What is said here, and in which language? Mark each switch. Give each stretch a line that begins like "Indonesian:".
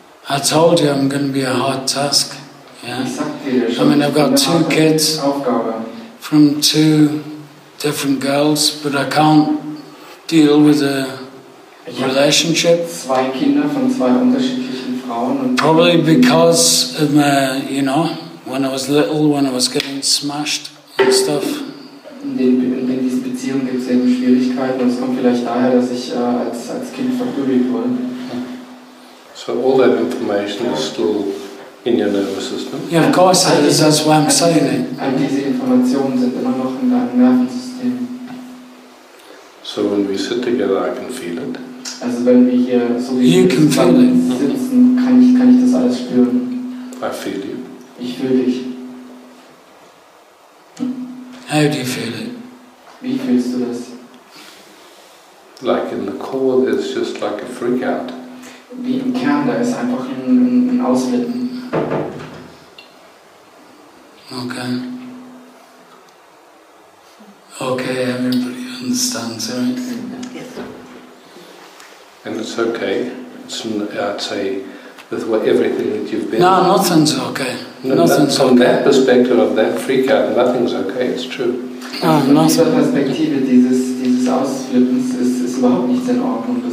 English: I told you I'm going to be a hard task. Yeah. I mean, I've got two kids from two different girls, but I can't deal with a relationship.
German: Zwei Kinder von zwei unterschiedlichen Frauen.
English: Probably because of my, you know, when I was little, when I was getting smashed and stuff.
German: In diesen Beziehungen gibt es eben Schwierigkeiten, und es kommt vielleicht daher, dass ich als Kind verprügelt wurde.
English: So all that information is still in your nervous system. Yeah, of course, that's why I'm saying it.
German: All diese Informationen sind immer noch in deinem Nervensystem.
English: So when we sit together, I can feel it.
German: Also wenn wir hier so wie wir zusammen sitzen, kann ich das alles spüren.
English: I feel you.
German: Ich fühle dich.
English: How do you feel it?
German: Wie fühlst du das?
English: Like in the core, there's just like a freak out.
German: Wie im Kern, da ist einfach ein Auslitten.
English: Okay, everybody understands, right? Yes. And it's okay. I'd say with everything that you've been. No, nothing's okay. No, nothing's from okay. From that perspective of that freak out, nothing's okay. It's true. No, nothing.
German: From dieser Perspektive dieses Ausflippens ist überhaupt nichts in Ordnung.